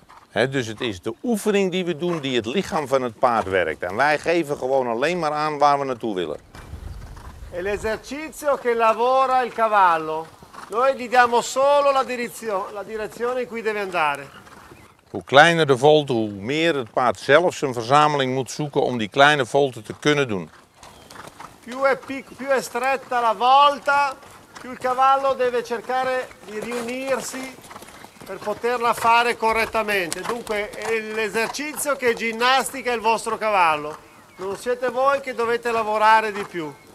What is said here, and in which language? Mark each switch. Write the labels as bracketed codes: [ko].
[nl] He, dus het is de oefening die we doen die het lichaam van het paard werkt. En wij geven gewoon alleen maar aan waar we naartoe willen. [it] È l'esercizio che lavora il cavallo. Noi gli diamo solo la direzione in cui deve andare. [nl] Hoe kleiner de volte, hoe meer het paard zelf zijn verzameling moet zoeken om die kleine volte te kunnen doen. [it] Più è stretta la volta, più il cavallo deve cercare di riunirsi per poterla fare correttamente. Dunque è l'esercizio che ginnastica il vostro cavallo. Non siete voi che dovete lavorare di più.